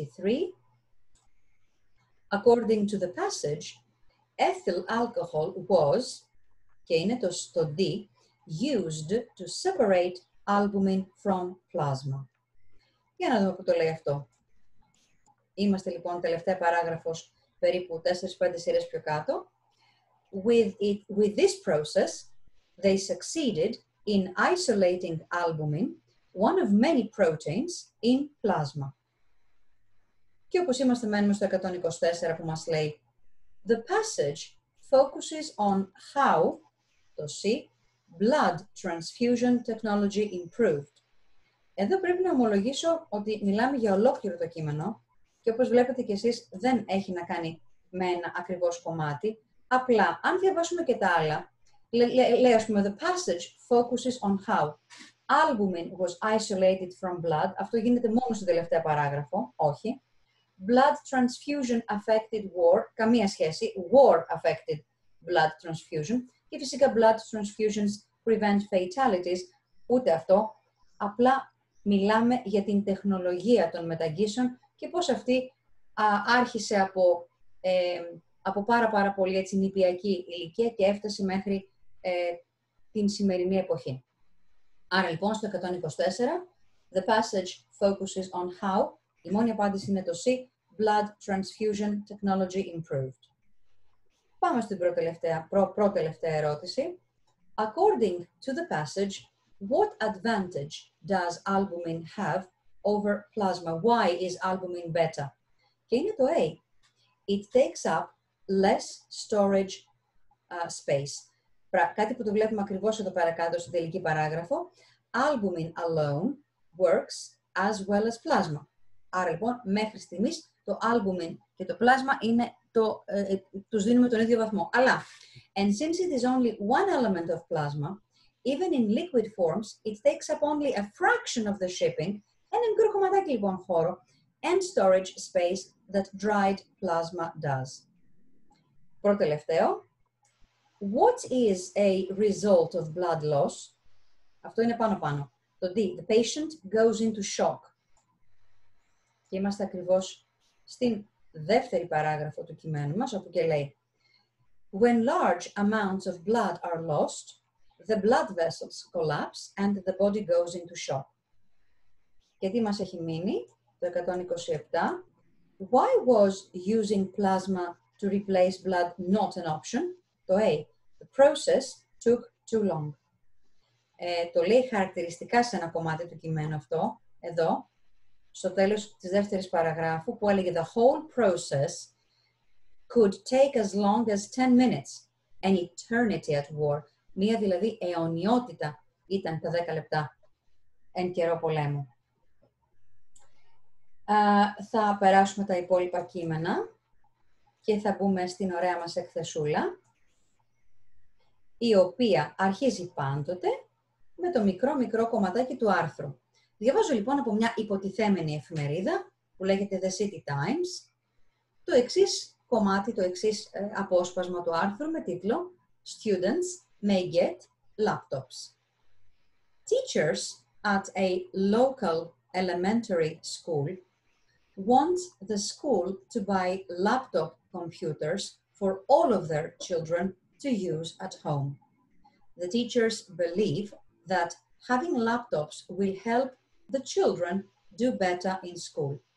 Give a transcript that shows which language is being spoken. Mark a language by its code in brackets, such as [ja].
[en] 123. According to the passage, ethyl alcohol was, [el] και είναι το D, [en] used to separate albumin from plasma. [el] Για να δούμε πού το λέει αυτό. Είμαστε λοιπόν τελευταία παράγραφος περίπου 4-5 σειρές πιο κάτω. [en] With this process, they succeeded in isolating albumin, one of many proteins, in plasma. [el] Και όπως είμαστε μένουμε στο 124 που μας λέει, [en] the passage focuses on how, [el] το C, [en] blood transfusion technology improved. [el] Εδώ πρέπει να ομολογήσω ότι μιλάμε για ολόκληρο το κείμενο και όπως βλέπετε κι εσείς δεν έχει να κάνει με ένα ακριβώς κομμάτι. Απλά, αν διαβάσουμε και τα άλλα, λέει ας πούμε, [en] the passage focuses on how albumin was isolated from blood. [el] Αυτό γίνεται μόνο στο τελευταίο παράγραφο, όχι. [en] Blood transfusion affected war, [el] καμία σχέση, [en] war affected blood transfusion. [el] Και φυσικά [en] blood transfusions prevent fatalities, [el] ούτε αυτό. Απλά μιλάμε για την τεχνολογία των μεταγγίσεων και πώς αυτή άρχισε από... από πάρα πολύ έτσι νηπιακή ηλικία και έφτασε μέχρι την σημερινή εποχή. Άρα λοιπόν στο 124, [en] the passage focuses on how, [el] η μόνη απάντηση είναι το C, [en] blood transfusion technology improved. [el] Πάμε στην προτελευταία ερώτηση. [en] According to the passage, what advantage does albumin have over plasma? Why is albumin better? [el] Και είναι το A. [en] It takes up less storage space. [el] Κάτι που το βλέπουμε ακριβώς εδώ πέρα κάτω στην τελική παράγραφο. [en] Albumin alone works as well as plasma. [el] Άρα λοιπόν, μέχρι στιγμής το albumin και το πλάσμα είναι τους δίνουμε τον ίδιο βαθμό. Αλλά, [en] and since it is only one element of plasma, even in liquid forms, it takes up only a fraction of the shipping [el] Ένα μικρό κομματάκι λοιπόν χώρο. [en] And storage space that dried plasma does. [el] Προτελευταίο. [en] What is a result of blood loss? [el] Αυτό είναι πάνω-πάνω. Το D. [en] The patient goes into shock. [el] Και είμαστε ακριβώς στην δεύτερη παράγραφο του κειμένου μας, όπου και λέει [en] When large amounts of blood are lost, the blood vessels collapse and the body goes into shock. [el] Και τι μας έχει μείνει, το 127. [en] Why was using plasma to replace blood not an option? Το A. The process took too long. [el] Το λέει χαρακτηριστικά σε ένα κομμάτι του κειμένου αυτό, εδώ, στο τέλος της δεύτερης παραγράφου, που έλεγε [en] The whole process could take as long as 10 minutes, an eternity at war. [el] Μία δηλαδή αιωνιότητα ήταν τα 10 λεπτά εν καιρό πολέμου. Θα περάσουμε τα υπόλοιπα κείμενα και θα μπούμε στην ωραία μας εκθεσούλα, η οποία αρχίζει πάντοτε με το μικρό κομματάκι του άρθρου. Διαβάζω λοιπόν από μια υποτιθέμενη εφημερίδα που λέγεται The City Times το εξής κομμάτι, το εξής απόσπασμα του άρθρου με τίτλο [en] Students may get laptops. Teachers at a local elementary school want the school to buy laptop computers for all of their children to use at home. The teachers believe that having laptops will help the children do better in school.